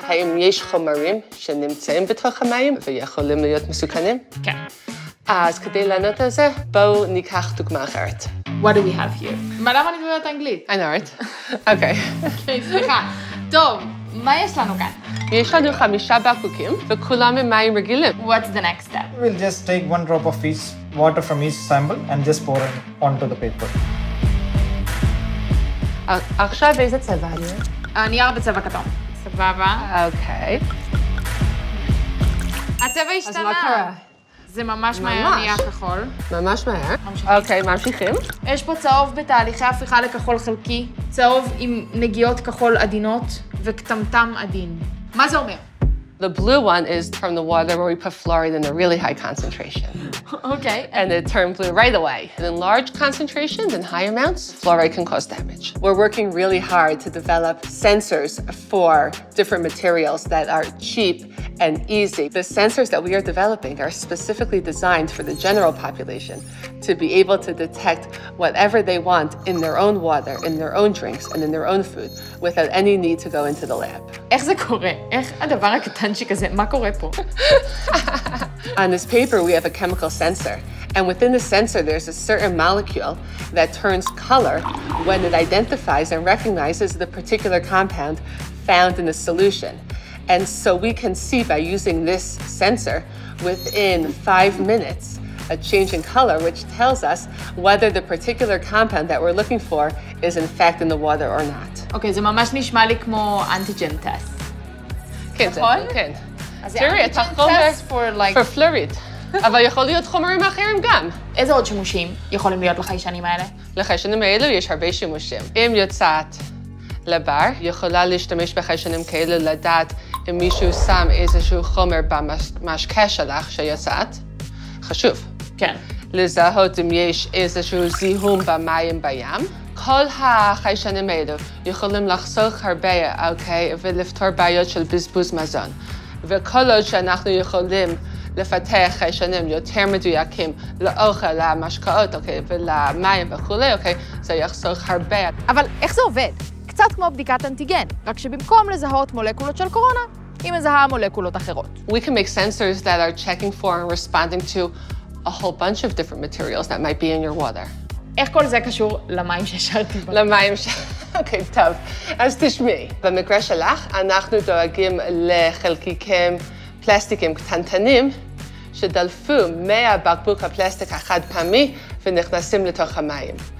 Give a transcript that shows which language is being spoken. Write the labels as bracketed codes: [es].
[he] האם יש חומרים שנמצאים בתוך המים ויכולים להיות מסוכנים? כן. אז כדי לענות על זה, בואו ניקח דוגמה אחרת. [en] What do we have here? [he] מה למה אני מדברת אנגלית? [en] I know it. [he] אוקיי. סליחה. טוב, מה יש לנו כאן? יש לנו 5 בקבוקים, וכולם הם מים רגילים. [en] What's the next step? We'll just take 1 drop of each water from each sample and just pour it onto the paper. [he] עכשיו איזה צבע אני? נייר בצבע כתום. סבבה. אוקיי. הצבע השתנה. אז מה קרה? זה ממש מהר נהיה כחול. ממש מהר. אוקיי, ממשיכים. יש פה צהוב בתהליכי הפיכה לכחול חלקי. צהוב עם נגיעות כחול עדינות וקטמטם עדין. מה זה אומר? [en] The blue one is from the water where we put fluoride in a really high concentration. Okay. And it turned blue right away. And in large concentrations and high amounts, fluoride can cause damage. We're working really hard to develop sensors for different materials that are cheap and easy. The sensors that we are developing are specifically designed for the general population to be able to detect whatever they want in their own water, in their own drinks, and in their own food without any need to go into the lab. [he] איך זה קורה? איך הדבר הקטן שכזה? מה קורה פה? [en] On this paper, we have a chemical sensor. And within the sensor, there's a certain molecule that turns color when it identifies and recognizes the particular compound found in the solution. And so we can see by using this sensor within 5 minutes, a change in color, which tells us whether the particular compound that we're looking for is in fact in the water or not. [he] אוקיי, זה ממש נשמע לי כמו אנטיגן טסט. כן, כן. אז זה אנטיגן טסט [en] for like... [he] for פלוריד. אבל יכול להיות חומרים אחרים גם. איזה עוד שימושים יכולים להיות לחיישנים האלה? לחיישנים האלו יש הרבה שימושים. אם יוצאת לבר, יכולה להשתמש בחיישנים כאלה לדעת אם מישהו שם איזשהו חומר במשקה שלך שיוצאת. חשוב. כן. לזהות אם יש איזשהו זיהום במים בים. כל החיישנים האלו יכולים לחסוך הרבה, אוקיי, ולפתור בעיות של בזבוז מזון. וכל עוד שאנחנו יכולים לפתח חיישנים יותר מדויקים לאוכל, למשקאות, אוקיי, ולמים וכו', אוקיי, זה יחסוך הרבה. אבל איך זה עובד? קצת כמו בדיקת אנטיגן, רק שבמקום לזהות מולקולות של קורונה, היא מזהה מולקולות אחרות. [en] We can make sensors that are checking for and responding to a whole bunch of different materials that might be in your water. [he] איך כל זה קשור למים ששארתי בו? למים ש... אוקיי, okay, טוב. אז תשמעי, במקרה שלך, אנחנו דואגים לחלקיקים פלסטיקים קטנטנים שדלפו מהבקבוק הפלסטיק החד פעמי ונכנסים לתוך המים.